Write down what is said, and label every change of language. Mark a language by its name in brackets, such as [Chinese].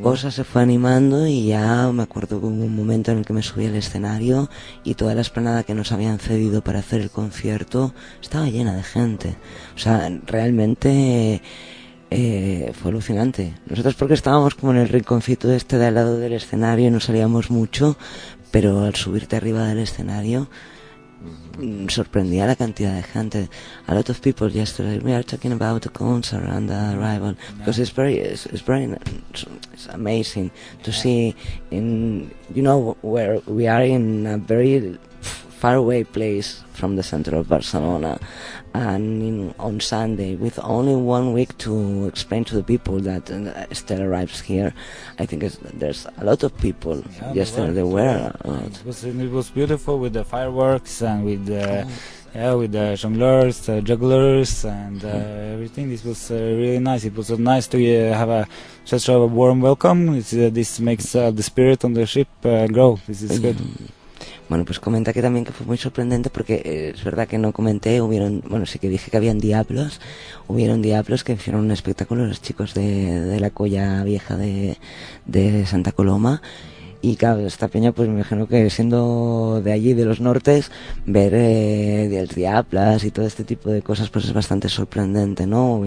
[Spanish] Cosa se fue animando y ya me acuerdo con un momento en el que me subí al escenario y toda la explanada que nos habían cedido para hacer el concierto estaba llena de gente. O sea, realmente fue alucinante. Nosotros porque estábamos como en el rinconcito este de al lado del escenario y no salíamos mucho, pero al subirte arriba del escenario sorprendía la cantidad de gente. [English] A lot of people yesterday, we are talking about the concert and the arrival, because it's amazing to see in, you know, where we are in a very far away place from the center of Barcelona, and in, on Sunday with only 1 week to explain to the people that Estelle arrives here. I think there's a lot of people. Yesterday there were a lot. It was beautiful with the fireworks and with the with the jonglers, the jugglers, and everything. This was really nice. It was nice to have a such a warm welcome. This makes the spirit on the ship grow. This is good. [Spanish] Bueno, pues comenta que también que fue muy sorprendente porque es verdad que no comenté, sí que dije que habían diablos, hubieron diablos que hicieron un espectáculo los chicos de la colla vieja de Santa Coloma. Y claro, esta peña, pues me imagino que siendo de allí, de los nortes, ver el diablas y todo este tipo de cosas, pues es bastante sorprendente, ¿no?